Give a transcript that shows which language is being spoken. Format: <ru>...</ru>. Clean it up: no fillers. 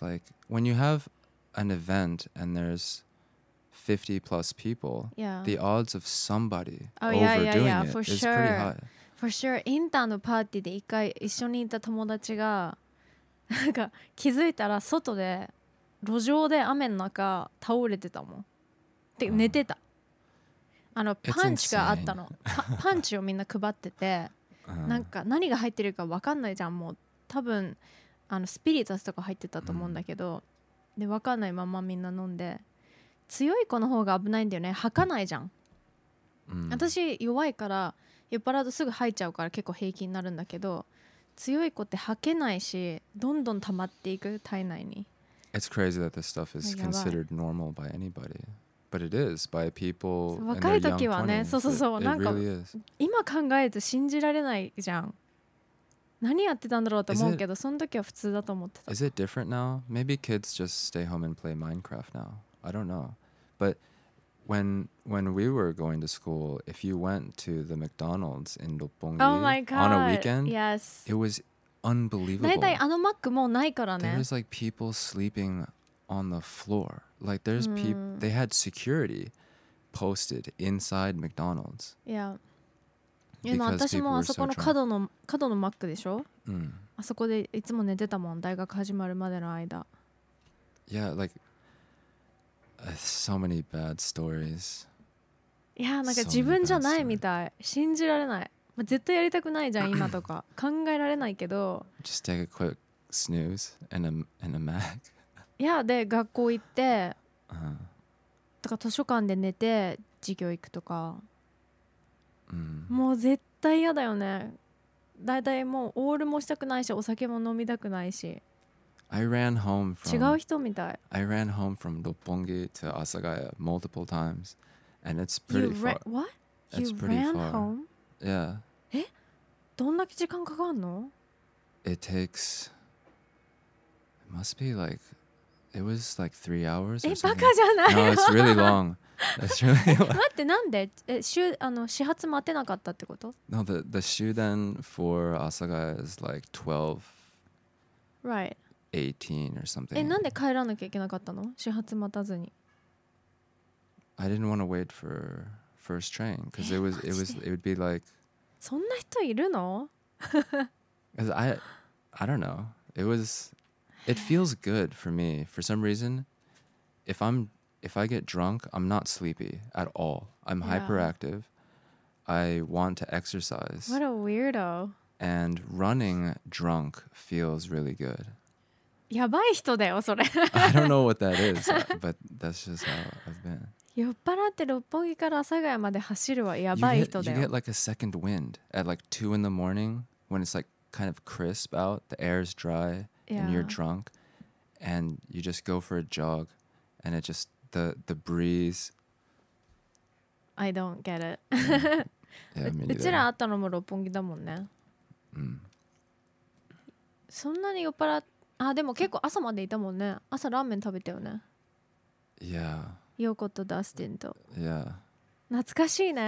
<en>Like when you have an event and there's 50 plus people, the odds of somebody overdoing it is pretty high. For sure.</en> <ja>インターのパーティーで一回一緒にいた友達がなんか気づいたら外で路上で雨の中倒れてたもん。で寝てた。あのパンチがあったの。パンチをみんな配ってて、なんか何が入ってるか分かんないじゃん。もう多分あのスピリタスとか入ってたと思うんだけど、で分かんないままみんな飲んで、強い子の方が危ないんだよね。吐かないじゃん。私弱いから酔っ払うとすぐ吐いちゃうから結構平気になるんだけど。強い子って吐けないし、どんどん溜まっていく体内に。</ja> <en>It's crazy that this stuff is considered normal by anybody, but it is by people.</en> <ja>若い時はね、そうそうそう、なんか今考えると信じられないじゃん。何やってたんだろうと思うけど、その時は普通だと思ってた。</ja> <en>Is it different now? Maybe kids just stay home and play Minecraft now. I don't know. But when we were going to school, if you went to the McDonald's in Roppongi on a weekend, yes. it was unbelievable.</en> <ja>大体あのマックもうないからね。</ja> <en>There's like people sleeping on the floor. Like there's people, they had security posted inside McDonald's. Yeah.</en> <ja>でも私もあそこの角の、角のマックでしょ？うん。あそこでいつも寝てたもん、大学始まるまでの間。</ja> <en>Yeah, like so many bad stories.</en> <ja>いや、なんか自分じゃないみたい。信じられない。まあ、絶対やりたくないじゃん今とか考えられないけど。</ja> <en>Just take a quick snooze and a Mac. Yeah,</en> <ja>で学校行って、とか図書館で寝て授業行くとか。もう絶対嫌だよね。だいたいもうオールもしたくないし、お酒も飲みたくないし。</ja> <en>I ran home from</en> <ja>違う人みたい。</ja> <en>I ran home from 六本木 to 阿佐ヶ谷 multiple times, and it's pretty far. What? You ran home? Yeah.</en> <ja>え？どんだけ時間かかんの？</ja> <en>It takes. It must be like. It was like 3 hours. え、バカじゃない？ No, it's really long. It's really long. 待って、なんで？え、終、あの、始発待てなかったってこと？ No, the 終電 for 阿佐ヶ谷 is like 12. Right. 18 or something.</en> <ja>え、なんで帰らなきゃいけなかったの？始発待たずに。</ja> <en>I didn't want to wait for. First train, because it was it would be like.</en> <ja>そんな人いるの?</ja> <en>Because I don't know. It feels good for me for some reason. If I get drunk, I'm not sleepy at all. I'm hyperactive. I want to exercise. What a weirdo. And running drunk feels really good.</en> <ja>やばい人だよそれ。</ja> <en>I don't know what that is, but that's just how I've been.</en> <ja>酔っ払って六本木から阿佐ヶ谷まで走るはやばい人だよ。</ja> <en>You get like a second wind at like 2 in the morning when it's like kind of crisp out, the air is dry, yeah. And you're drunk and you just go for a jog and it just the breeze. I don't get it. Yeah. Yeah,</en> <ja>うちら会ったのも六本木だもんね。そんなに酔っ払っ、あ、でも結構朝までいたもんね。朝ラーメン食べたよね。</ja> <en>Yeah.</en> <ja>ヨコとダスティンと、</ja> <en>yeah.</en> <ja>懐かしいね。</ja>